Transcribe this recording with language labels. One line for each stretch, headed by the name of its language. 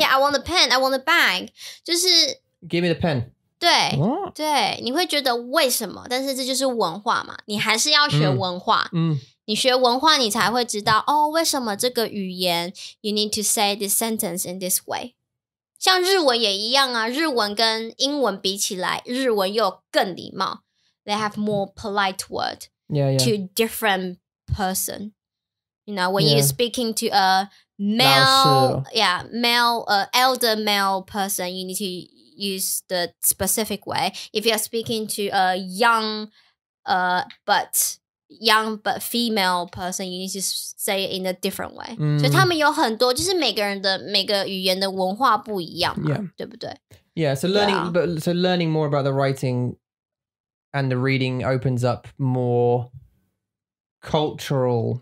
English: Yeah, I want the pen I want the bag
Chinese: 就是
English: Give me the pen
Chinese: 对、
English: What?
Chinese: 对你会觉得为什么但是这就是文化嘛你还是要学文化、嗯、你学文化你才会知道哦，为什么这个语言
English: You need to say this sentence in this way
Chinese: 像日文也一样啊，日文跟英文比起来，日文又更礼貌。
English: They have more polite word yeah, yeah. to different person. You know, when、yeah. you're speaking to a male, yeah, male, elder male person, you need to use the specific way. If you're speaking to a young, but female person, you need to say it in a different way.、嗯、
Chinese: 所以他们有很多，就是每个人的每个语言的文化不一样嘛，
English: yeah.
Chinese: 对不对
English: ？Yeah. So learning,、 but so learning more about the writing and the reading opens up more cultural